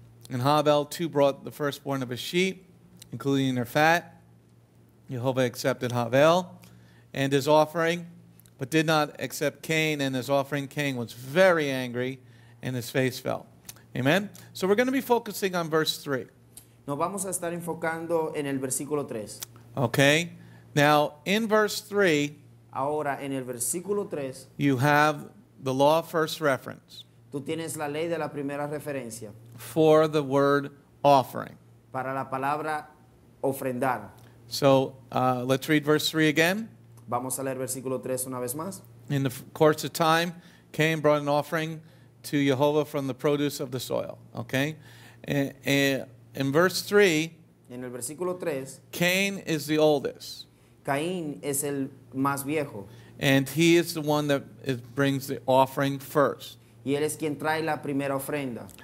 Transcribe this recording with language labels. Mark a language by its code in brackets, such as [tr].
[en] And Havel too brought the firstborn of his sheep, including their fat. Jehovah accepted Havel and his offering, but did not accept Cain and his offering. Cain was very angry and his face fell. Amen? So we're going to be focusing on verse 3. [es] Nos vamos a estar enfocando en el versículo 3. [en] Okay. Now, in verse 3, [es] ahora, en el versículo 3, [en] you have the law of first reference. [es] Tú tienes la ley de la primera referencia. [en] For the word offering. [es] Para la palabra ofrendar. [en] So, let's read verse 3 again. [es] Vamos a leer versículo 3 una vez más. [en] In the course of time, Cain brought an offering to Jehovah from the produce of the soil. Okay? In verse 3, [es] en el versículo 3, [en] Cain is the oldest. [es] Caín es el más viejo. [en] And he is the one that brings the offering first. [es] Y él es quien trae la primera ofrenda.